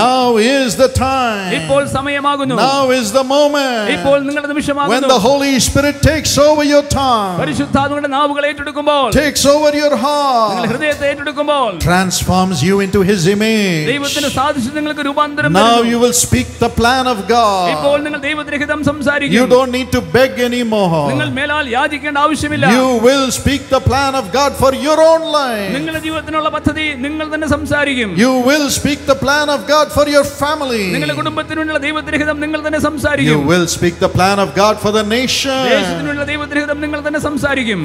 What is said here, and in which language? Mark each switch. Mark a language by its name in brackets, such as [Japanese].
[English] Now is the time. [Malayalam] ഇപ്പോൾ സമയമാകുന്നു. [English] Now is the moment. [Malayalam] ഇപ്പോൾ നിങ്ങളുടെ നിമിഷമാകുന്നു. [English] When the Holy Spirit takes over your tongue. [Malayalam] പരിശുദ്ധാത്മാവിന്റെ നാവുകൾ ഏറ്റെടുക്കുമ്പോൾ. [English] Takes over your heart. [Malayalam] നിങ്ങളുടെ ഹൃദയത്തെ ഏറ്റെടുക്കുമ്പോൾ. [English] Transforms you into his image. [Malayalam] ദൈവത്തിന്റെ സാദൃശ്യം നിങ്ങൾക്ക് രൂപാന്തരം വരുന്നു. [English] Now you will speak the plan of God. [Malayalam] ഇപ്പോൾ നിങ്ങൾ ദൈവത്തിന്റെ ഹിതം സംസാരിക്കും. [English] You don't need to beg anymore. [Malayalam] നിങ്ങൾ മേലാൽ യാചിക്കേണ്ട ആവശ്യമില്ല. [English] You will speak the plan of God for your own life. [Malayalam] നിങ്ങളുടെ ജീവിതത്തിനുള്ള പദ്ധതി നിങ്ങൾ തന്നെ സംസാരിക്കും. [English] You will speak the plan of God for your family. [Malayalam] നിങ്ങളുടെ കുടുംബത്തിനുള്ള ദൈവത്തിന്റെ ഹിതം നിങ്ങൾ തന്നെ സംസാരിക്കും. [English] You will speak the plan of God for the nation. [Malayalam] ദേശത്തിനുള്ള ദൈവത്തിന്റെ ഹിതം നിങ്ങൾ തന്നെ സംസാരിക്കും.